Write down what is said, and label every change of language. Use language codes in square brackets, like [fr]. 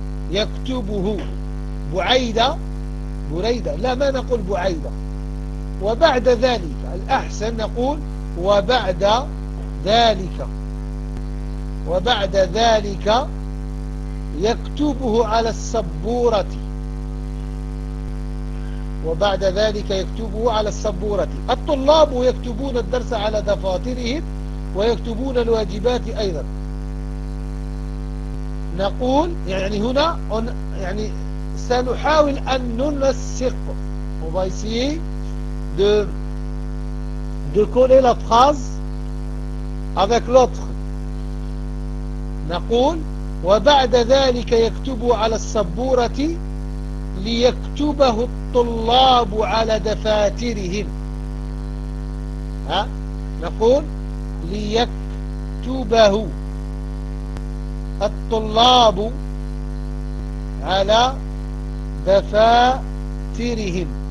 [ar] يكتبه بعيدة، بريدة، لا ما نقول بعيدة، وبعد ذلك الأحسن نقول وبعد ذلك، وبعد ذلك يكتبه على السبورة، وبعد ذلك يكتبه على السبورة. الطلاب يكتبون الدرس على دفاترهم ويكتبون الواجبات أيضا، نقول يعني هنا يعني سنحاول أن ننسق. [fr] On va essayer de coller la phrase avec l'autre. [ar] نقول وبعد ذلك يكتب على السبورة ليكتبه الطلاب على دفاترهم. ها؟ نقول ليكتبه الطلاب على دفاترهم.